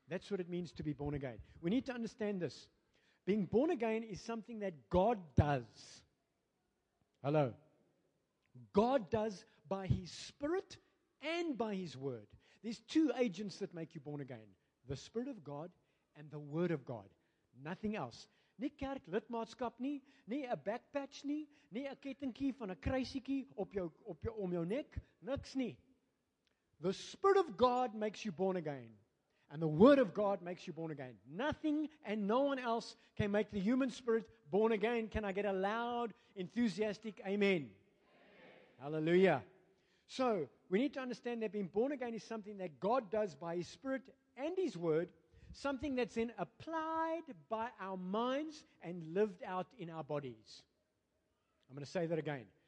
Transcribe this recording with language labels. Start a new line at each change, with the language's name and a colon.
English: That's what it means to be born again. We need to understand this. Being born again is something that God does. Hello. God does by His Spirit and by His Word. There's two agents that make you born again. The Spirit of God and the Word of God. Nothing else.
Afrikaans: Nie kerk lidmaatskap nie, nie 'n backpatch nie, nie 'n kettingkie van 'n kruisietjie om jou nek, niks nie.
English: The Spirit of God makes you born again. And the Word of God makes you born again. Nothing and no one else can make the human spirit born again. Can I get a loud, enthusiastic amen? Amen. Hallelujah. So, we need to understand that being born again is something that God does by His Spirit and His Word, something that's then applied by our minds and lived out in our bodies. I'm going to say that again.